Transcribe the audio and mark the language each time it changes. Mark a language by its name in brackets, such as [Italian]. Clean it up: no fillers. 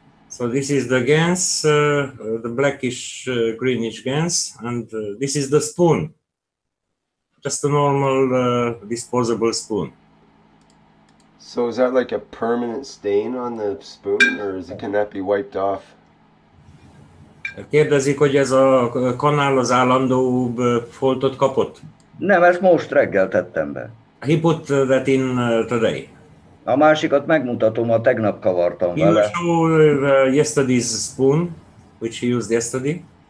[English] So this is the GANs, the blackish, greenish GANs, and this is the spoon. Just a normal disposable spoon. So is that like a permanent stain on the spoon, or is it, can that be wiped off? [Hungarian] Kérdezik, hogy ez a kanál az állandó foltot kapott? Nem, ezt most reggel tettem be. [English] He put that in today. [Hungarian] A másikat megmutatom, a tegnap kavartam vele. [English] He showed yesterday's spoon, which he used yesterday.